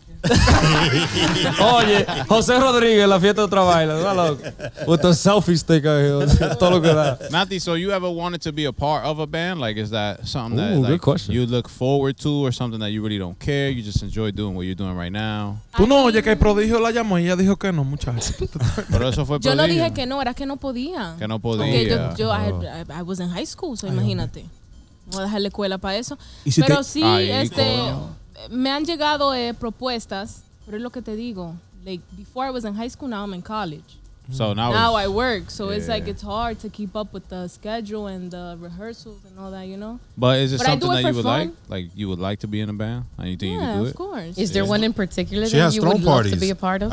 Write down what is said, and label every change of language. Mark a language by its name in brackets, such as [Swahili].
[Spanish] camera. Oye, Jose Rodriguez, la fiesta otra baila. [English] With the selfie stick out here. [Spanish] Todo lo que da. [English] Nati, so you ever wanted to be a part of a band? Like, is that something that... Ooh, like, good question. You look forward to or something that you really don't care, you just enjoy doing what you're doing right now. [Spanish] Tú no oyes que el prodigio la llamó y ella dijo que no, muchachos. Pero eso fue prodigio. Yo no dije que no, era que no podía. Que no podía. Okay, [English] I was in high school, so [Spanish] imagínate. Okay. Voy a dejar la escuela para eso. Si pero te... sí, me han llegado propuestas, pero es lo que te digo. [English] Like, before I was in high school, now I'm in college. So now, I work. So it's like it's hard to keep up with the schedule and the rehearsals and all that, you know. But is it something that you would like? Like you would like to be in a band? And you think you could do it? Yeah, of course. Is there one in particular that you would love to be a part of?